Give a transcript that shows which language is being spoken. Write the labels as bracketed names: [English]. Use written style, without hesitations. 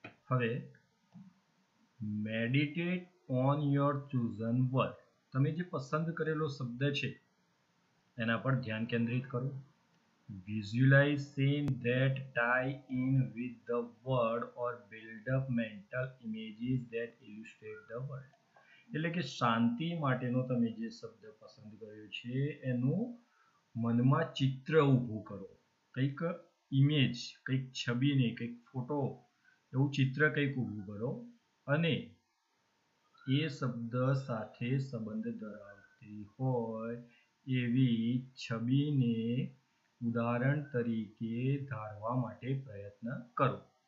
[Gujarati] હવે [English] Meditate on your chosen word. [Gujarati] તમે જે પસંદ કરેલો શબ્દ છે એના પર ધ્યાન કેન્દ્રિત કરો. [English] Visualizing that tie in with the word or build up mental images that illustrate the word. [Gujarati] એટલે કે શાંતિ માટેનો તમે જે શબ્દ પસંદ કર્યો છે એનું મનમાં ચિત્ર ઊભું કરો. કંઈક ઇમેજ, કંઈક છબી ને કંઈક ફોટો, એવું ચિત્ર કંઈક ઊભું કરો અને એ શબ્દ સાથે સંબંધ ધરાવતી હોય એવી છબીને ઉદાહરણ તરીકે ધારવા માટે પ્રયત્ન કરો.